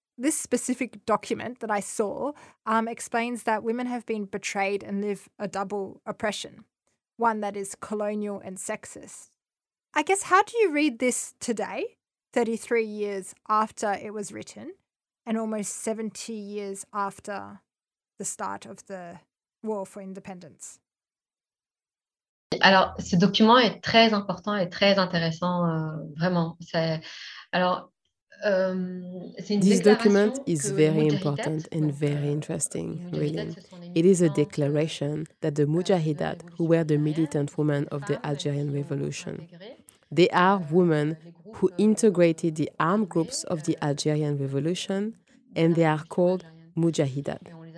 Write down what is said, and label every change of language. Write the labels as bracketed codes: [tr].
[en] This specific document that I saw explains that women have been betrayed and live a double oppression, one that is colonial and sexist. I guess, how do you read this today, 33 years after it was written and almost 70 years after the start of the War for Independence. [fr] Alors, ce document est très important et très intéressant, vraiment. C'est, alors, c'est une [en] this document is very important and very interesting, really. It is a declaration that the Mujahidat, who were the militant women of the Algerian Revolution, they are women who integrated the armed groups of the Algerian Revolution, and they are called Mujahidat.